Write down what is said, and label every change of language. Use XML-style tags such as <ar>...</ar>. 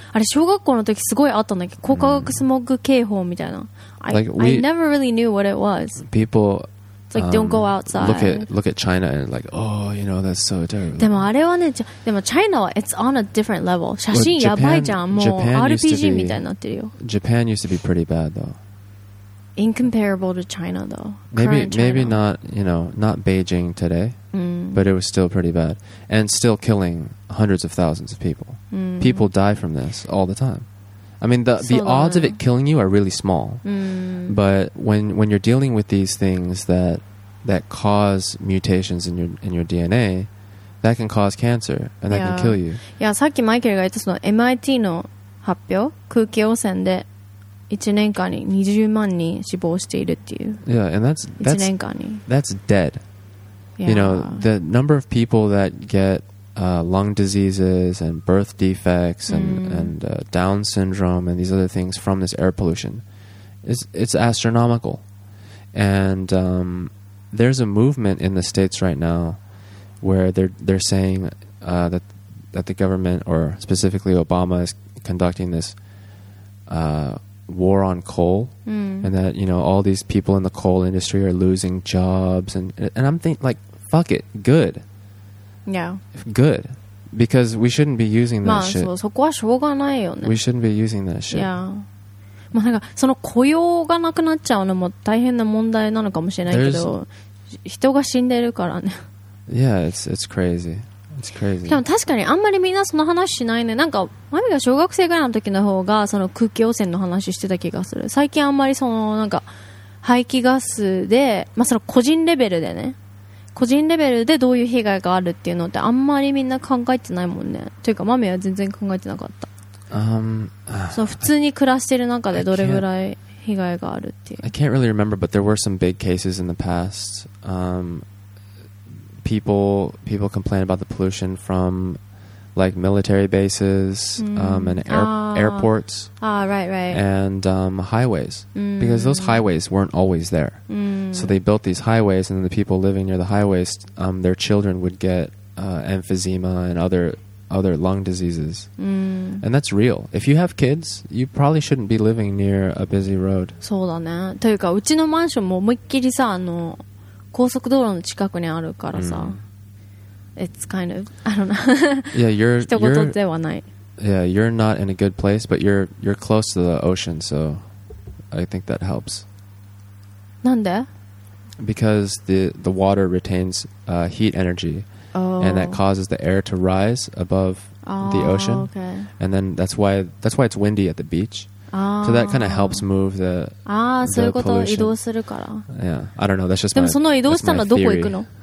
<ja>あれ、小学校の時すごいあったんだけど、高化学スモッグ警報みたいな。</ja> <en>I never really knew what it was. People, it's like, don't go outside. Look at China and like, oh, you know, that's so terrible.</en> <ja>でもあれはね、でも China は</ja> <en>it's on a different level.</en> <ja>写真やばいじゃん。もう RPG みたいになってるよ。</ja> <en>Japan used to be pretty bad though. Incomparable to China though. Maybe not, you know, not Beijing today. But it was still pretty bad. And still killing hundreds of thousands of people. People die from this all the time. I mean, the odds of it killing you are really small. But when you're dealing with these things that cause mutations in your DNA, that can cause cancer and that can kill you.</en> <ja>Yeah, さっきマイケルが言ったその MIT の発表、空気汚染で1年間に20万人死亡しているっていう。</ja> <en>Yeah, and that's</en> <ja>1年間に。</ja> <en>That's dead. You know, the number of people that get lung diseases and birth defects and Down syndrome and these other things from this air pollution, it's astronomical. And there's a movement in the States right now where they're saying that the government, or specifically Obama, is conducting this war on coal, and that, you know, all these people in the coal industry are losing jobs, and I'm thinking like, fuck it, good. Yeah. Good. Because we shouldn't be using that shit.</en> <ja>まあ、そこはしょうがないよね。</ja> <en>We shouldn't be using that shit. Yeah.</en> <ja>まあ、なんかその雇用がなくなっちゃうのも大変な問題なのかもしれないけど、人が死んでるからね。</ja> <en>Yeah, it's crazy. It's crazy.</en> <ja>でも確かにあんまりみんなその話しないね。なんか、マミが小学生ぐらいの時の方がその空気汚染の話してた気がする。最近あんまりそのなんか排気ガスで、まあその個人レベルでね。個人レベルでどういう被害があるっていうのってあんまりみんな考えてないもんね。というかマミは全然考えてなかった。そう、普通に暮らしてる中でどれぐらい被害があるっていう。</ja> <en>I can't really remember, but there were some big cases in the past. People complained about the pollution from like military bases, and airports. Ah, right, right. And highways. Because those highways weren't always there. So they built these highways, and then the people living near the highways, their children would get emphysema and other lung diseases. And that's real. If you have kids, you probably shouldn't be living near a busy road.</en> <ja>そうだね。というか、うちのマンションも思いっきりさ、あの、高速道路の近くにあるからさ。</ja> <en>It's kind of, I don't know. Yeah, you're</en> <ja>人事ではない。</ja> <en>Yeah, you're not in a good place, but you're close to the ocean, so I think that helps.</en> <ja>なんで?</ja> <en>Because the water retains heat energy, and that causes the air to rise above the ocean. Okay. And then that's why it's windy at the beach. So that kind of helps move the pollution.</en> <ja>そういうこと、移動するから。</ja> <en>Yeah, I don't know. That's just</en> <ja>でもその移動したのはどこ行くの?</ja>